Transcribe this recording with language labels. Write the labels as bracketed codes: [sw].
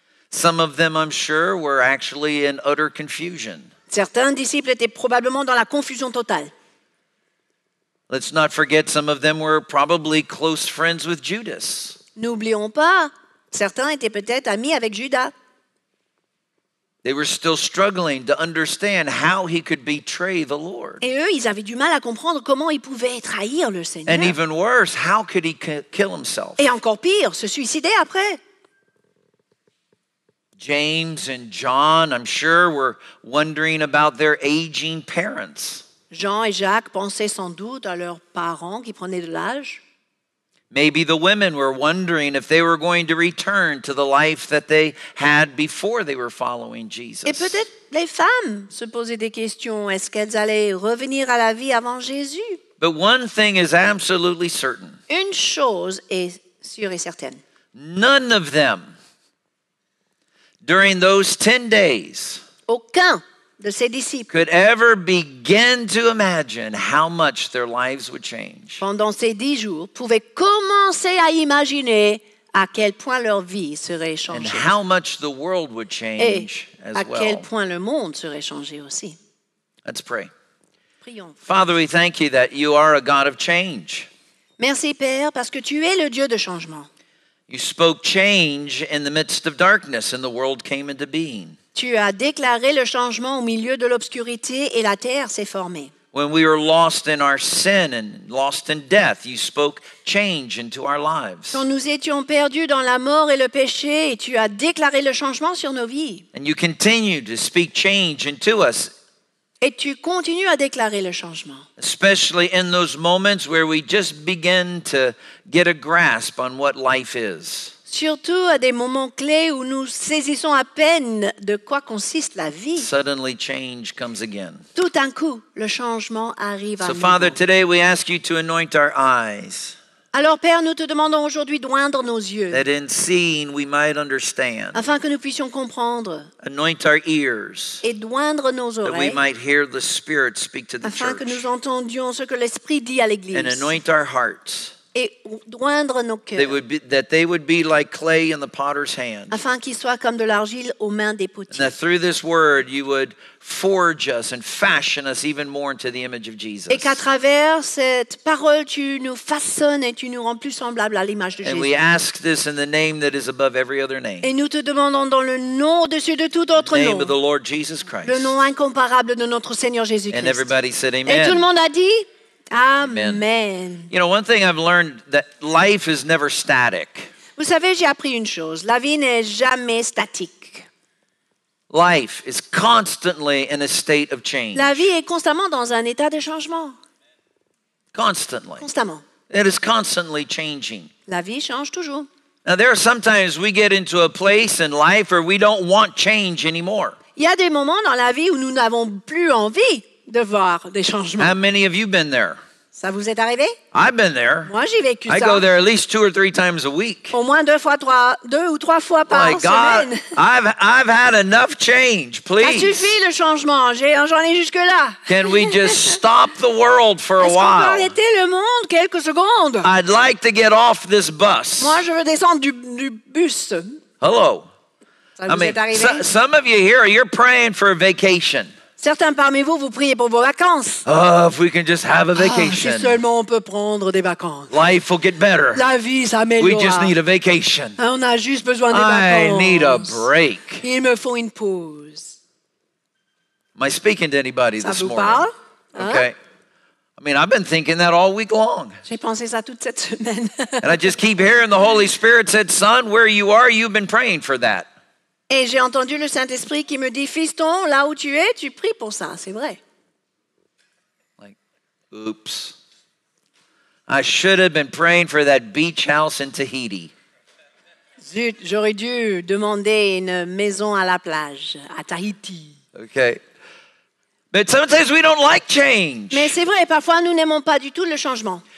[en] Some of them, I'm sure, were actually in utter confusion. [fr] Certains disciples étaient probablement dans la confusion totale. [en] Let's not forget some of them were probably close friends with Judas. [fr] N'oublions pas, certains étaient peut-être amis avec Judas. [en] They were still struggling to understand how he could betray the Lord. [fr] Et eux, ils avaient du mal à comprendre comment ils pouvaient trahir le Seigneur. [en] And even worse, how could he kill himself? [fr] Et encore pire, se suicider après. [en] James and John, I'm sure, were wondering about their aging parents. [fr] Jean et Jacques pensaient sans doute à leurs parents qui prenaient de l'âge. [en] Maybe the women were wondering if they were going to return to the life that they had before they were following Jesus. [fr] Et peut-être les femmes se posaient des questions. Est-ce qu'elles allaient revenir à la vie avant Jésus? [en] But one thing is absolutely certain. [fr] Une chose est sûre et certaine. [en] None of them, during those 10 days, [fr] aucun de ses disciples [en] could ever begin to imagine how much their lives would change. [fr] Pendant ces 10 jours, pouvaient commencer à imaginer à quel point leur vie serait changée. [en] And how much the world would change [fr] et [en] as well. [fr] À quel point le monde serait changé aussi. [en] Let's pray. [fr] Prions. [en] Father, we thank you that you are a God of change. [fr] Merci Père, parce que tu es le Dieu de changement. [en] You spoke change in the midst of darkness and the world came into being. [fr] Tu as déclaré le changement au milieu de l'obscurité et la terre s'est formée. [en] When we were lost in our sin and lost in death, you spoke change into our lives. [fr] Quand nous étions perdus dans la mort et le péché, tu as déclaré le changement sur nos vies. [en] And you continue to speak change into us. [fr] Et tu continues à déclarer le changement. [en] Especially in those moments where we just begin to get a grasp on what life is. [fr] Surtout à des moments clés où nous saisissons à peine de quoi consiste la vie. [en] Suddenly change comes again. [fr] Tout d'un coup, le changement arrive [en] so [fr] à nous. [en] So Father, today we ask you to anoint our eyes. [fr] Alors Père, nous te demandons aujourd'hui d'oindre nos yeux. [en] That in seeing we might understand. [fr] Afin que nous puissions comprendre. [en] Anoint our ears. [fr] Et d'oindre nos oreilles. [en] That we might hear the Spirit speak to the [fr] afin [en] church. [fr] Afin que nous entendions ce que l'Esprit dit à l'Église. [en] And anoint our hearts. [fr] Et d'oindre nos cœurs. [en] That they would be like clay in the potter's hand. [fr] Afin qu'ils soient comme de l'argile aux mains des potiers. [en] And that through this word you would forge us and fashion us even more into the image of Jesus. [fr] Et qu'à travers cette parole tu nous façonnes et tu nous rends plus semblables à l'image de [en] and [fr] Jésus. [en] And we ask this in the name that is above every other name. [fr] Et nous te demandons dans le nom au-dessus de tout autre [en] name Name of the Lord Jesus Christ. [fr] Le nom incomparable de notre Seigneur Jésus Christ. [en] And everybody said amen. [fr] Et tout le monde a dit amen. [en] You know, one thing I've learned that life is never static. [fr] Vous savez, j'ai appris une chose. La vie n'est jamais statique. [en] Life is constantly in a state of change. [fr] La vie est constamment dans un état de changement. [en] Constantly. [fr] Constamment. [en] It is constantly changing. [fr] La vie change toujours. [en] Now, there are sometimes we get into a place in life where we don't want change anymore. [fr] Il y a des moments dans la vie où nous n'avons plus envie de voir des changements. [en] How many of you been there? [fr] Ça vous est arrivé? [en] I've been there. [fr] Moi, j'ai vécu [en] ça. I go there at least two or three times a week. [fr] Au moins deux ou trois fois par semaine. [en] My God, I've had enough change, please. [fr] Ça suffit le changement. J'en ai jusque là. [en] Can we just stop the world for a while? [fr] Est-ce qu'on peut arrêter le monde quelques secondes? [en] I'd like to get off this bus. [fr] Moi, je veux descendre du bus. [en] Hello. [fr] Ça vous est arrivé? [en] Some of you here, you're praying for a vacation. [fr] Certains parmi vous, vous priez pour vos vacances. [en] Oh, if we can just have a vacation. [fr] Si seulement on peut prendre des vacances. [en] Life will get better. [fr] La vie s'améliore. [en] We just need a vacation. [fr] On a juste besoin des vacances. [en] I need a break. [fr] Il me faut une pause. [en] Am I speaking to anybody [fr] ça [en] this morning? [fr] Ça vous parle? Hein? Okay. [en] I mean, I've been thinking that all week long. [fr] J'ai pensé ça toute cette semaine. [en] And I just keep hearing the Holy Spirit said, son, where you are, you've been praying for that. [fr] Et j'ai entendu le Saint-Esprit qui me dit, fiston, là où tu es, tu pries pour ça, c'est vrai. [en] Like, oops. I should have been praying for that beach house in Tahiti. [fr] Zut, j'aurais dû demander une maison à la plage, à Tahiti. [en] Okay. But sometimes we don't like change. [fr] Mais c'est vrai, parfois nous n'aimons pas du tout le changement.